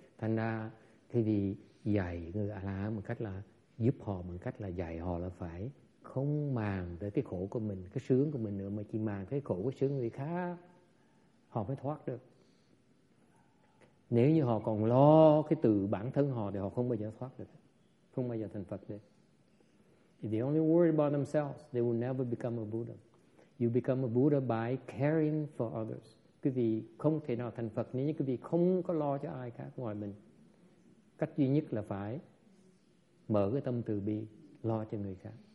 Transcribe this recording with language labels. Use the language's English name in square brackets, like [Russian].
[Vietnamese] Thành ra, thì vì dạy người A-la-hán bằng cách là giúp họ bằng cách là dạy họ là phải không màng tới cái khổ của mình, cái sướng của mình nữa, mà chỉ màng cái khổ của sướng người khác, họ mới thoát được. Nếu như họ còn lo cái từ bản thân họ thì họ không bao giờ thoát được, không bao giờ thành Phật được. [English] If they only worry about themselves, they will never become a Buddha. You become a Buddha by caring for others. [Vietnamese] Quý vị không thể nào thành Phật nếu như quý vị không có lo cho ai khác ngoài mình. Cách duy nhất là phải mở cái tâm từ bi, lo cho người khác.